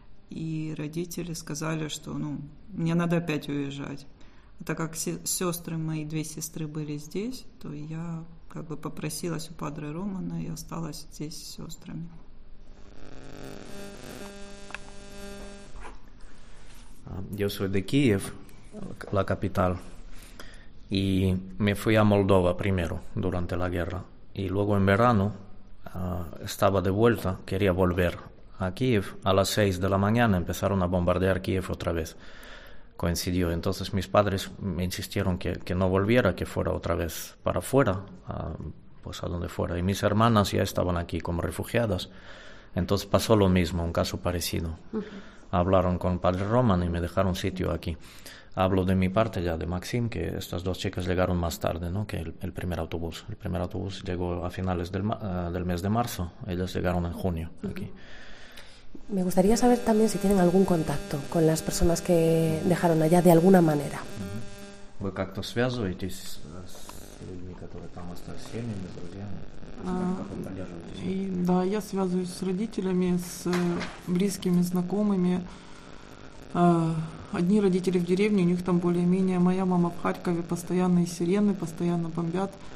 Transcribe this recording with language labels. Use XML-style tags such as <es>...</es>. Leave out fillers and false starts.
<ru>И родители сказали, что мне надо опять уезжать. А так как сестры мои, 2 сестры были здесь, то я как бы попросилась у падре Романа и осталась здесь с сестрами.</ru> <es>Yo soy de Kiev, la capital, y me fui a Moldova primero durante la guerra. Y luego en verano estaba de vuelta, quería volver a Kiev. A las 6 de la mañana empezaron a bombardear Kiev otra vez. Coincidió. Entonces mis padres me insistieron que no volviera, que fuera otra vez para afuera, pues a donde fuera. Y mis hermanas ya estaban aquí como refugiadas. Entonces pasó lo mismo, un caso parecido. Uh-huh. Hablaron con padre Roman y me dejaron sitio aquí. Hablo de mi parte ya, de Maxim, que estas 2 chicas llegaron más tarde, ¿no? Que el primer autobús. El primer autobús llegó a finales del mes de marzo. Ellas llegaron en junio aquí. Me gustaría saber también si tienen algún contacto con las personas que dejaron allá de alguna manera.</es> <ru>Вы как-то связываетесь с людьми, которые там остались, с семьями, с друзьями? Да, я связываюсь с родителями, с близкими, знакомыми. Одни родители в деревне, у них там более-менее. Моя мама в Харькове, постоянные сирены, постоянно бомбят.</ru>